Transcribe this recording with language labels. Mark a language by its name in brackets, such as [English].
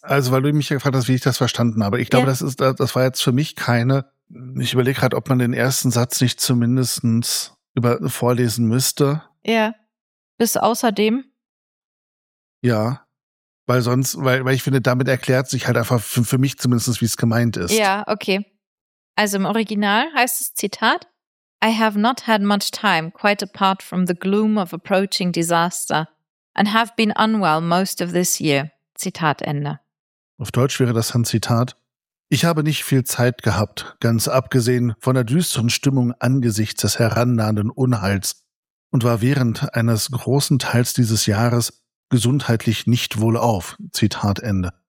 [German] Also, weil du mich gefragt hast, wie ich das verstanden habe. Ich glaube, ja, das war jetzt für mich keine, ich überlege gerade, ob man den ersten Satz nicht zumindest vorlesen müsste. Ja, bis außerdem. Ja. Weil ich finde, damit erklärt sich halt einfach für mich zumindest, wie es gemeint ist. Ja, okay. Also im Original heißt es, Zitat, [English] I have not had much time, quite apart from the gloom of approaching disaster, and have been unwell most of this year. [German] Zitat Ende. Auf Deutsch wäre das dann Zitat, ich habe nicht viel Zeit gehabt, ganz abgesehen von der düsteren Stimmung angesichts des herannahenden Unheils, und war während eines großen Teils dieses Jahres gesundheitlich nicht wohlauf. Zitat Ende.